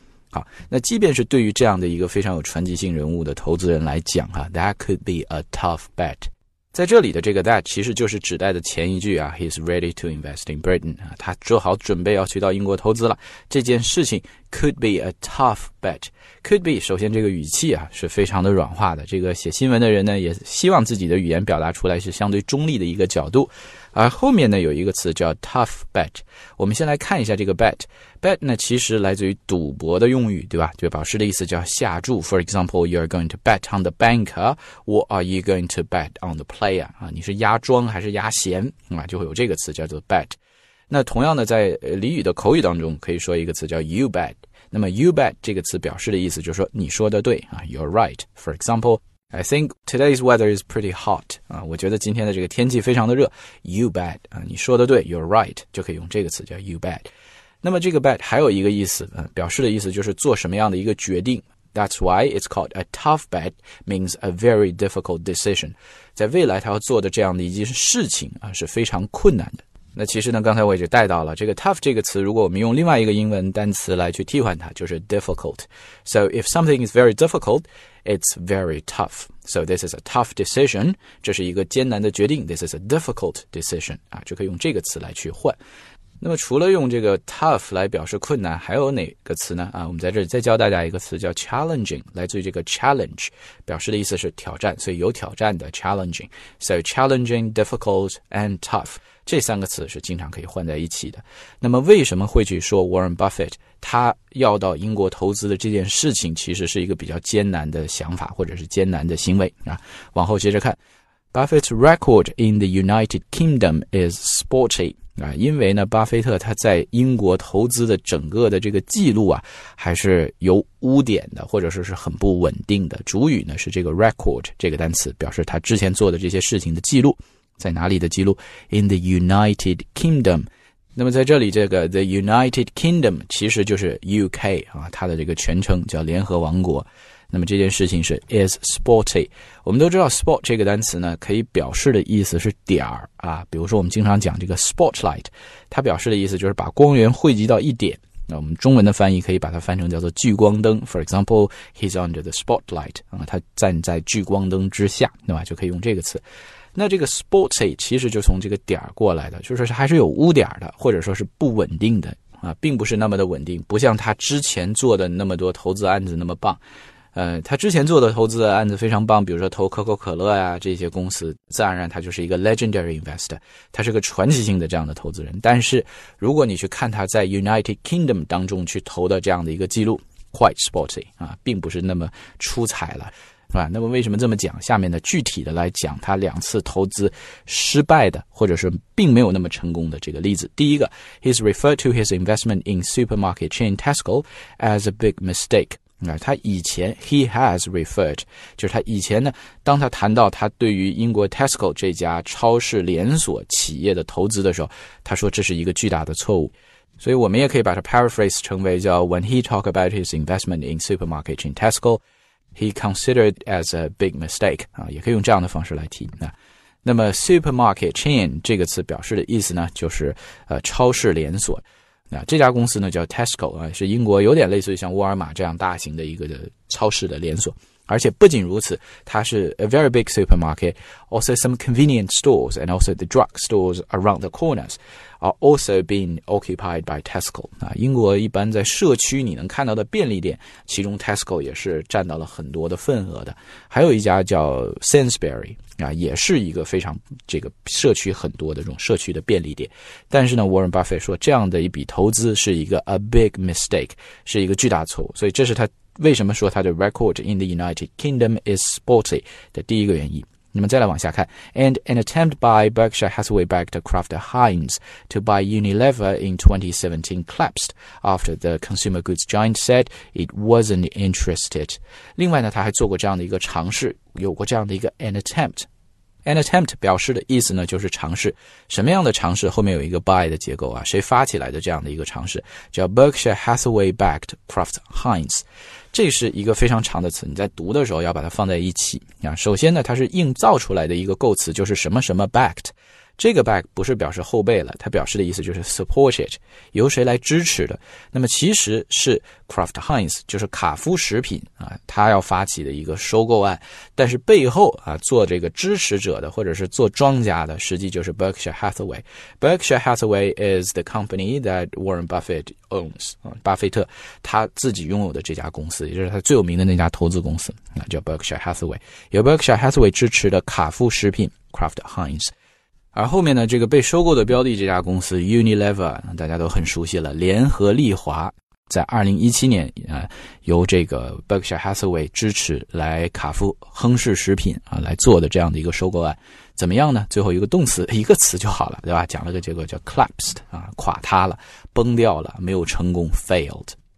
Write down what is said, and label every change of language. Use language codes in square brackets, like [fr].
[zh] 好，那即便是对于这样的一个非常有传奇性人物的投资人来讲啊 , [en] that could be a tough bet. [zh] 在这里的这个 that 其实就是指代的前一句啊 , [en] he's ready to invest in Britain, [zh] 啊，他做好准备要去到英国投资了。这件事情 [en] could be a tough bet. [zh] Could be, 首先这个语气啊是非常的软化的，这个写新闻的人呢也希望自己的语言表达出来是相对中立的一个角度。而后面呢有一个词叫 tough bet, 我们先来看一下这个 bet, bet 呢其实来自于赌博的用语，对吧，就表示的意思叫下注。 [en] For example, you're going to bet on the banker, or are you going to bet on the player, [zh] 啊，你是押庄还是押闲，嗯啊，就会有这个词叫做 [en] bet。 [zh] 那同样的在俚语的口语当中可以说一个词叫 you bet, 那么 you bet 这个词表示的意思就是说你说的对，啊， [en] you're right, for example,I think today's weather is pretty hot. [zh] 啊，我觉得今天的这个天气非常的热。 [en] You bet. [zh] 啊，你说的对。 [en] You're right. [zh] 就可以用这个词叫 you bet. 那么这个 bet 还有一个意思，表示的意思就是做什么样的一个决定。 [en] That's why it's called a tough bet, means a very difficult decision. [zh] 在未来他要做的这样的一件事情、啊、是非常困难的。那其实呢刚才我也就带到了这个 tough 这个词如果我们用另外一个英文单词来去替换它就是 difficult. [en] So if something is very difficult, it's very tough. So this is a tough decision. [zh] 这是一个艰难的决定 [en] This is a difficult decision.、 [zh] 啊、就可以用这个词来去换。那么除了用这个 tough 来表示困难还有哪个词呢、啊、我们在这里再教大家一个词叫 challenging, 来自于这个 challenge, 表示的意思是挑战所以有挑战的 challenging. [en] So challenging, difficult, and tough. [zh] 这三个词是经常可以换在一起的。那么为什么会去说 Warren Buffett, 他要到英国投资的这件事情其实是一个比较艰难的想法或者是艰难的行为、啊、往后接着看。 [en] Buffett's record in the United Kingdom is spotty. [zh] 啊、因为呢巴菲特他在英国投资的整个的这个记录啊还是有污点的或者说是很不稳定的。主语呢是这个 record, 这个单词表示他之前做的这些事情的记录。在哪里的记录 [en] ?In the United Kingdom. [zh] 那么在这里这个 The United Kingdom 其实就是 UK, 啊它的这个全称叫联合王国。那么这件事情是 is spotty。我们都知道 spot 这个单词呢可以表示的意思是点儿啊比如说我们经常讲这个 spotlight, 它表示的意思就是把光源汇集到一点。那我们中文的翻译可以把它翻成叫做聚光灯 [en] For example, he's under the spotlight, [zh] 他站在聚光灯之下对吧就可以用这个词。那这个 spotty 其实就从这个点过来的就是还是有污点的或者说是不稳定的、啊、并不是那么的稳定不像他之前做的那么多投资案子那么棒。他之前做的投资的案子非常棒比如说投可口可乐啊这些公司自然而然他就是一个 legendary investor, 他是个传奇性的这样的投资人。但是如果你去看他在 United Kingdom 当中去投的这样的一个记录 quite spotty,、啊、并不是那么出彩了。是吧那么为什么这么讲下面呢具体的来讲他两次投资失败的或者是并没有那么成功的这个例子。第一个 [en] ,he's referred to his investment in supermarket chain Tesco as a big mistake. [zh] 他以前 he has referred 就是他以前呢当他谈到他对于英国 Tesco 这家超市连锁企业的投资的时候他说这是一个巨大的错误所以我们也可以把它 paraphrase 成为叫 [en] when he talked about his investment in supermarket chain Tesco he considered as a big mistake [zh] 也可以用这样的方式来提那么 supermarket chain 这个词表示的意思呢就是超市连锁这家公司呢叫 Tesco, 是英国有点类似于像沃尔玛这样大型的一个的超市的连锁。而且不仅如此它是 [en] a very big supermarket, also some convenience stores and also the drug stores around the corners are also being occupied by Tesco. [zh] 英国一般在社区你能看到的便利店其中 Tesco 也是占到了很多的份额的。还有一家叫 Sainsbury,也是一个非常这个社区很多的这种社区的便利店。但是呢 ,Warren Buffett 说这样的一笔投资是一个 a big mistake, 是一个巨大错误。所以这是他为什么说他的 record in the United Kingdom is spotty 的第一个原因。那么再来往下看。 [en] And an attempt by Berkshire Hathaway-backed Kraft Heinz to buy Unilever in 2017 collapsed after the consumer goods giant said it wasn't interested. [zh] 另外呢他还做过这样的一个尝试有过这样的一个 an attempt。 An attempt 表示的意思呢就是尝试。什么样的尝试后面有一个 buy 的结构啊谁发起来的这样的一个尝试叫 Berkshire Hathaway-backed Kraft Heinz。这是一个非常长的词你在读的时候要把它放在一起。首先呢它是硬造出来的一个构词就是什么什么 backed。这个 back 不是表示后背了它表示的意思就是 [en] support it, [zh] 由谁来支持的。那么其实是 Kraft Heinz, 就是卡夫食品啊它要发起的一个收购案。但是背后啊做这个支持者的或者是做庄家的实际就是 Berkshire Hathaway。 [en] Berkshire Hathaway is the company that Warren Buffett owns, [zh] 巴菲特他自己拥有的这家公司也就是他最有名的那家投资公司啊叫 Berkshire Hathaway。由 Berkshire Hathaway 支持的卡夫食品 Kraft Heinz。而后面呢这个被收购的标的这家公司 Unilever 大家都很熟悉了联合利华在2017年、由这个 Berkshire Hathaway 支持来卡夫亨氏食品、来做的这样的一个收购案怎么样呢最后一个动词一个词就好了对吧讲了个结果叫 collapsed、垮塌了崩掉了没有成功 failed